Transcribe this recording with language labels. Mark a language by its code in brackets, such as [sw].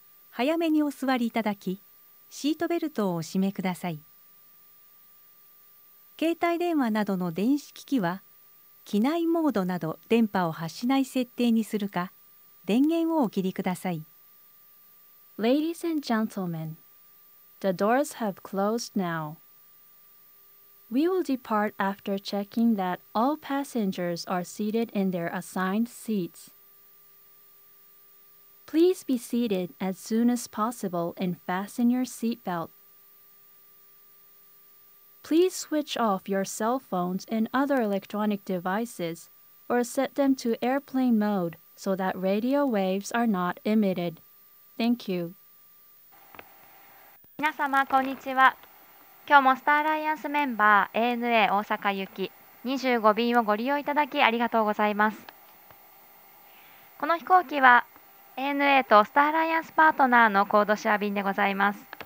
[ja] 早めにお座りいただき、シートベルトをお締めください。携帯電話などの電子機器は機内モードなど電波を発しない設定にするか、電源をお切りください。 [en] Ladies and gentlemen, the doors have closed now. We will depart after checking that all passengers are seated in their assigned seats. Please be seated as soon as possible and fasten your seatbelt. Please switch off your cell phones and other electronic devices or set them to airplane mode so that radio waves are not emitted. Thank you. [ja] 皆様、こんにちは。今日もスターアライアンスメンバー ANA 大阪行き25便をご利用いただきありがとうございます。この飛行機は ANA とスターアライアンスパートナーのコードシェア便でございます。